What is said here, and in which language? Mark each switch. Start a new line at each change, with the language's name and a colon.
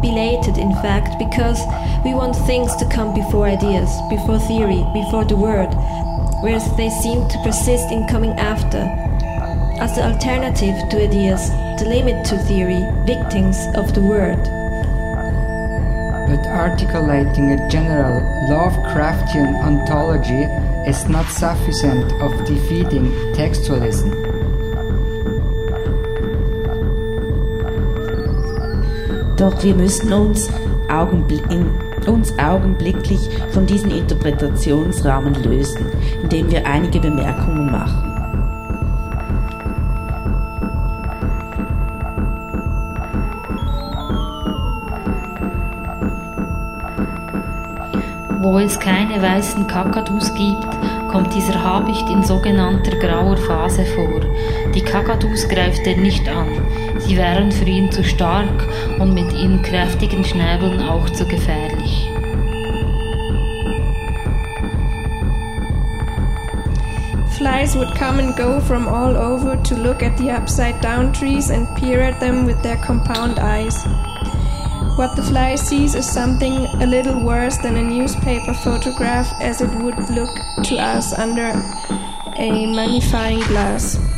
English: belated, in fact, because we want things to come before ideas, before theory, before the word, whereas they seem to persist in coming after, as the alternative to ideas, the limit to theory, victims of the word. But articulating a general Lovecraftian ontology is not sufficient of defeating textualism.
German: Doch wir müssen uns augenblicklich von diesen Interpretationsrahmen lösen, indem wir einige Bemerkungen machen. Wo es keine weißen Kakadus gibt, kommt dieser Habicht in sogenannter grauer Phase vor. Die Kakadus greift er nicht an. Sie wären für ihn zu stark und mit ihren kräftigen Schnäbeln auch zu gefährlich.
English: Flies would come and go from all over to look at the upside-down trees and peer at them with their compound eyes. What the fly sees is something a little worse than a newspaper photograph as it would look to us under a magnifying glass.